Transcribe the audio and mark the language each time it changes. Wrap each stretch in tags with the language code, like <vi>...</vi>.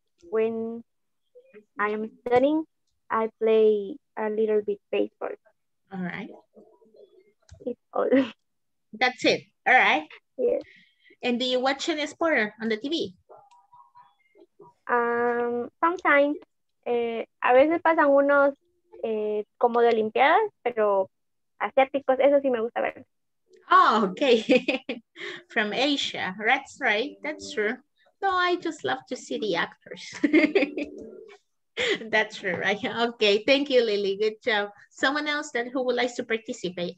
<en>When I am studying, I play a little bit baseball. All right. It's all. That's it. All right. Yes. And do you watch any sport on the TV? Sometimes.</en> <es>A veces pasan unos como de Olimpiadas, pero asiáticos, eso sí me gusta ver.</es> <en>Oh, okay. From Asia. That's right. That's true. No, I just love to see the actors. That's true, right? Okay. Thank you, Lily. Good job. Someone else that who would like to participate?</en>